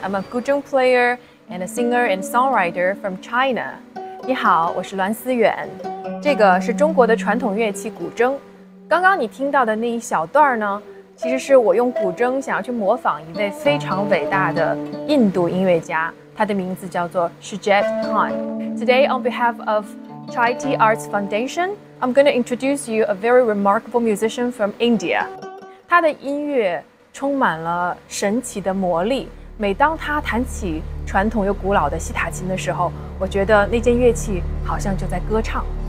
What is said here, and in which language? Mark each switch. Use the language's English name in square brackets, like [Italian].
[English] I'm a guzheng player and a singer and songwriter from China. [Chinese] 你好，我是栾思远。这个是中国的传统乐器古筝。刚刚你听到的那一小段呢，其实是我用古筝想要去模仿一位非常伟大的印度音乐家，他的名字叫做 Shujaat Khan. [English] Today, on behalf of Chaiti Arts Foundation, I'm going to introduce you a very remarkable musician from India. [Chinese] 他的音乐充满了神奇的魔力。每当他弹起传统又古老的西塔琴的时候，我觉得那件乐器好像就在歌唱。